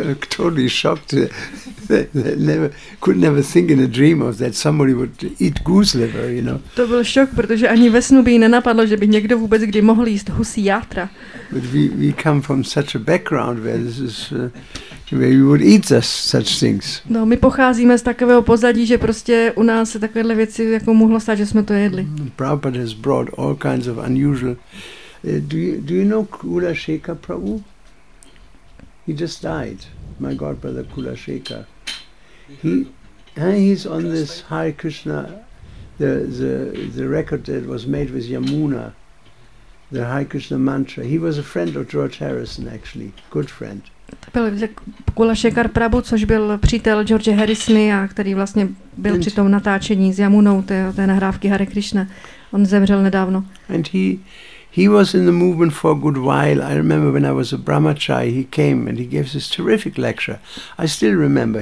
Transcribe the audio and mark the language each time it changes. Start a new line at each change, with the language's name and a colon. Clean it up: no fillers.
English: Totally shocked. Could never think in a dream of that somebody would eat goose liver, you know.
Czech: To byl šok, protože ani ve snu by jí nenapadlo, že by někdo vůbec kdy mohl jíst husí játra.
English: But we come from such a background where this is where we would eat such things.
Czech: No, my pocházíme z takového pozadí, že prostě u nás se takovéhle věci jako mohlo stát, že jsme to jedli.
English: Prabhupada has brought all kinds of unusual. Do you know Kula Shekhar Prabhu? He just died, my godbrother Kula Shekhar. He's on this Hare Krishna, the record that was made with Yamuna, the Hare Krishna mantra. He was a friend of George Harrison, actually, good friend.
Czech: Byl Kula Shekhar Prabhu, což byl přítel George Harrisony a který vlastně byl při tom natáčení s Yamunou té nahrávky Hare Krishna. On zemřel nedávno.
English: And he was in the movement for a good while. I remember when I was a brahmachari, he came and he gave this terrific lecture. I still remember.